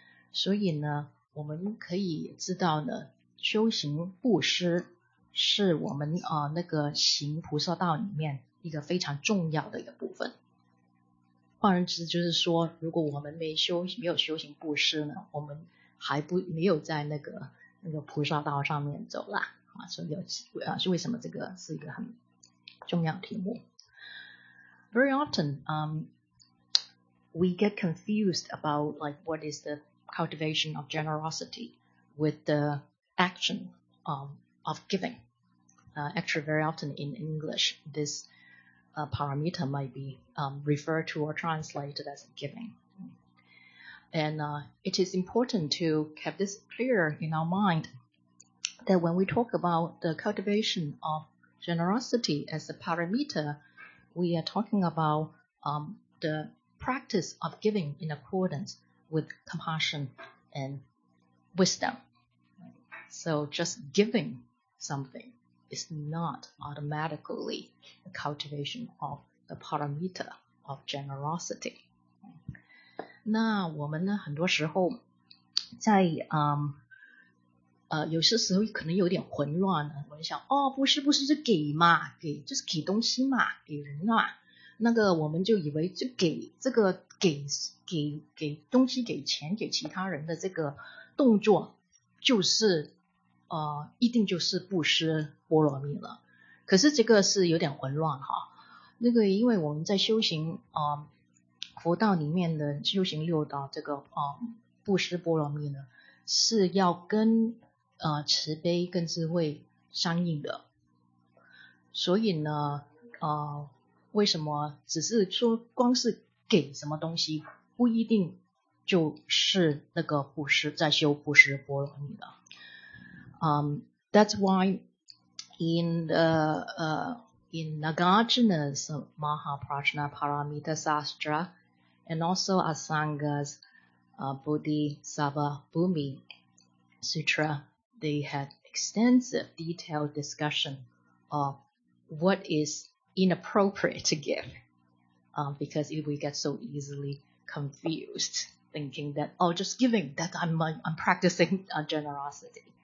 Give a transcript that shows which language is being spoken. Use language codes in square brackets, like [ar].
[zh] 所以呢，我们可以知道呢，修行布施是我们啊、那个行菩萨道里面一个非常重要的一个部分。换言之，就是说，如果我们没有修行布施呢，我们没有在那个菩萨道上面走啦啊，所以啊，是为什么这个是一个很重要题目。 [en] Very often, we get confused about like what is the cultivation of generosity with the action of giving. Actually, very often in English, this paramita might be referred to or translated as giving. And it is important to keep this clear in our mind that when we talk about the cultivation of generosity as a paramita, we are talking about the practice of giving in accordance with compassion and wisdom. So just giving something is not automatically the cultivation of the paramita of generosity. [zh] 那我们呢，很多时候在有些时候可能有点混乱呢，我就想，哦，不是就给嘛，给就是给东西嘛，给人嘛，那个我们就以为就给这个给东西，给钱给其他人的这个动作就是一定就是布施波罗蜜了。可是这个是有点混乱哈，那个因为我们在修行佛道里面的修行六道，这个布施波罗蜜呢是要跟慈悲跟智慧相应的。所以呢为什么只是说光是给什么东西不一定就是那个布施，在修布施波罗蜜的。 [en] That's why in Nagarjuna's Mahaprajna Paramita Sastra and also Asanga's Bodhisattva Bhumi Sutra, they had extensive detailed discussion of what is inappropriate to give, because we get so easily confused thinking that, oh, just giving, that I'm practicing generosity.